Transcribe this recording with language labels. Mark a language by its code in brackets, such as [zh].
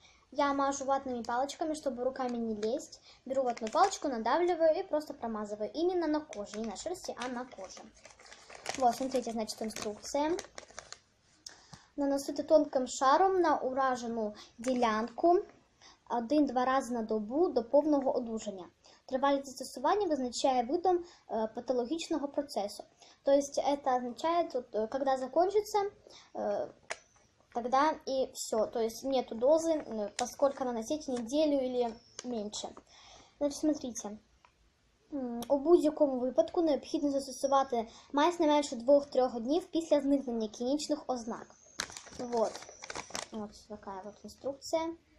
[ru] Я мажу ватными палочками, чтобы руками не лезть. Беру ватную палочку, надавливаю и просто промазываю. Именно на коже, не на шерсти, а на коже. Вот, смотрите, значит, инструкция. Наношу это тонким шаром на ураженную делянку. [uk] 1-2 раза на добу до повного одужання. Тривалість застосування визначає видом патологічного процесу. [ru] То есть это означает, когда закончится тогда и все. То есть нету дозы, поскольку наносить неделю или меньше. Значит, смотрите. [uk] У будь-якому випадку необхідно застосувати мазь не менше 2-3 днів після зникнення клінічних ознак. [ru] Вот. Вот такая вот инструкция.